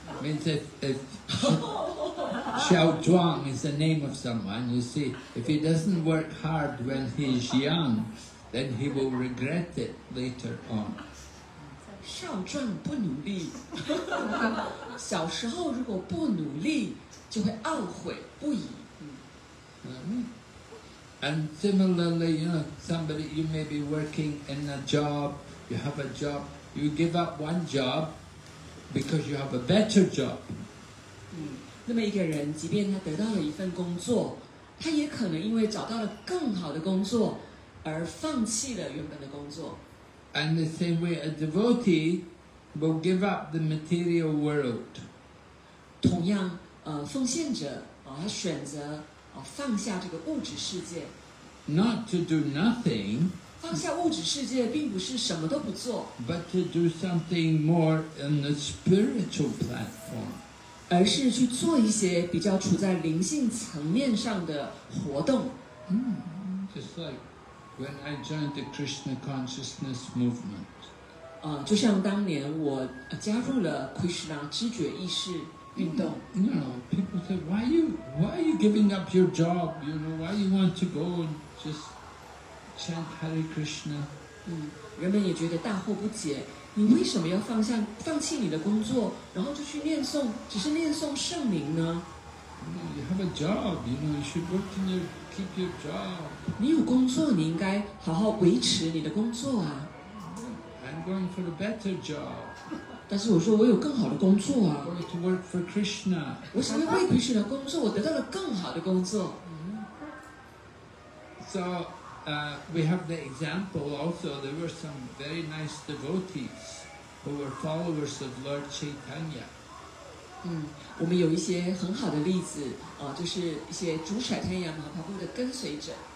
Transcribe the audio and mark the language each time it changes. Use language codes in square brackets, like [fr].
[en] Means if Xiao Zhuan is the name of someone. You see, if he doesn't work hard when he's young. Then he will regret it later on. [zh] 少壮不努力，小时候如果不努力，就会懊悔不已。 [en] And similarly, you know, somebody you may be working in a job, you have a job, you give up one job because you have a better job. [zh] 那么一个人，即便他得到了一份工作，他也可能因为找到了更好的工作。而放弃了原本的工作。 [en] And the same way a devotee will give up the material world. [zh] 同样，奉献者，他选择，放下这个物质世界。 [en] Not to do nothing. [zh] 放下物质世界并不是什么都不做。 [en] But to do something more in the spiritual platform. [zh] 而是去做一些比较处在灵性层面上的活动。 [en] Just like. When I joined the Krishna Consciousness Movement, [zh] 就像当年我加入了 Krishna 知觉意识运动。 [en] You know, people say, why are you giving up your job? You know, why you want to go and just chant Hare Krishna? [zh] 人们也觉得大惑不解，你为什么要放弃你的工作，然后就去念诵，只是念诵圣名呢？ [en] You have a job, you know, you should work in your. Keep your job. [zh] 你有工作，你应该好好维持你的工作啊。 [en] I'm going for a better job. [zh] 但是我说我有更好的工作啊。 [en] I'm going to work for Krishna. [zh] 我想要为 Krishna 工作，我得到了更好的工作。 [en] So, we have the example also. There were some very nice devotees who were followers of Lord Chaitanya. [zh] 我们有一些很好的例子，就是一些主宰天涯马帕布的跟随者。